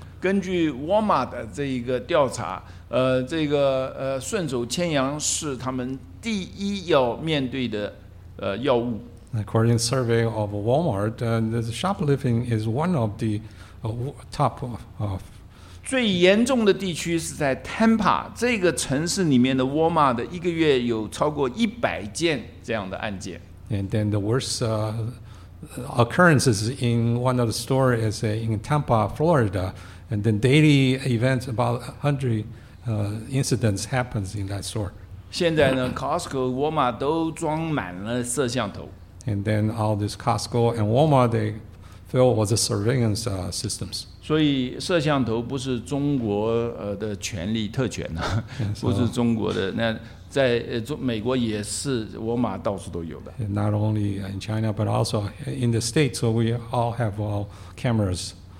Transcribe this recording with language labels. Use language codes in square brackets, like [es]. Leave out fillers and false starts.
[zh] 根据 Walmart 的这一个调查，这个顺手牵羊是他们第一要面对的药物。 [en] According to a survey of Walmart, the shoplifting is one of the top of [zh] 最严重的地区是在 Tampa 这个城市里面的 Walmart 的一个月有超过100件这样的案件。 [en] And then the worst occurrences in one of the store is in Tampa, Florida. And then daily events about 100 incidents happens in that store. [zh] 现在呢 ，Costco、Walmart 都装满了摄像头。 [en] And then all this Costco and Walmart they fill with the surveillance systems. [zh] 所以摄像头不是中国的权力特权呢、啊， so, 不是中国的。那在美国也是 ，Walmart 到处都有的。 [en] Not only in China, but also in the states, so we all have all cameras.